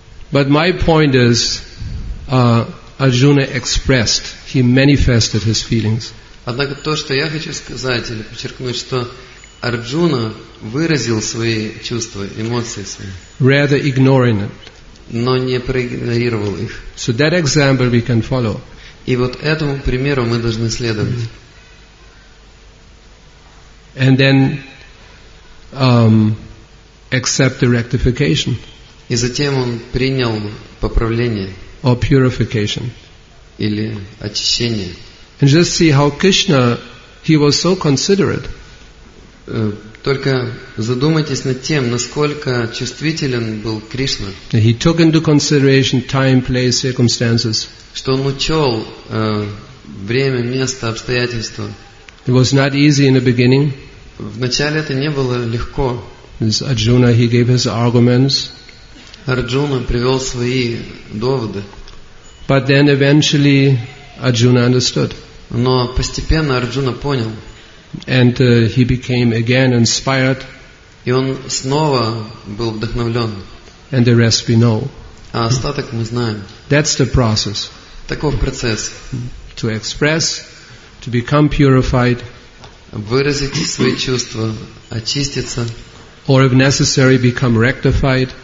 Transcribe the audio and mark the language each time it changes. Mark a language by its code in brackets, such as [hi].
[en] But my point is, Arjuna expressed, he manifested his feelings. [ru] Однако то, что я хочу сказать или подчеркнуть, что Арджуна выразил свои чувства, эмоции свои. [en] Rather ignoring it. [ru] Но не проигнорировал их. [en] So that example we can follow. [ru] И вот этому примеру мы должны следовать. [en] And then accept the rectification. [ru] И затем он принял поправление. [en] Or purification. [ru] Или очищение. [en] And just see how Krishna, he was so considerate. [ru] Только задумайтесь над тем, насколько чувствителен был Кришна. [en] He took into consideration time, place, circumstances. [ru] Что он учел время, место, обстоятельства. [en] It was not easy in the beginning. [ru] Вначале это не было легко. [en] This Arjuna, he gave his arguments. [ru] Арджуна привел свои доводы. [en] But then eventually Arjuna understood. [ru] Но постепенно Арджуна понял. [en] And he became again inspired. [ru] И он снова был вдохновлен. [en] And the rest we know. [ru] А остаток мы знаем. [en] That's the process. [ru] Таков процесс. [en] To express, to become purified. [ru] Выразить свои чувства, очиститься. [en] Or if necessary, become rectified.